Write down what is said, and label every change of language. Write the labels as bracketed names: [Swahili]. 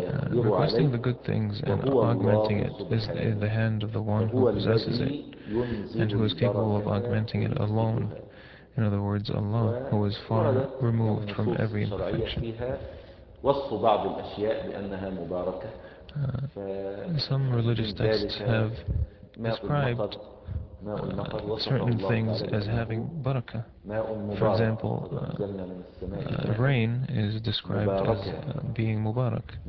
[English] Requesting the good things and augmenting it is in the hand of the one who possesses it and who is capable of augmenting it alone. In other words, Allah, who is far removed from every imperfection. [Arabic] وصف بعض الأشياء بأنها مباركة. [English] Some religious texts have described certain things as having barakah. For example, rain is described as being mubarak.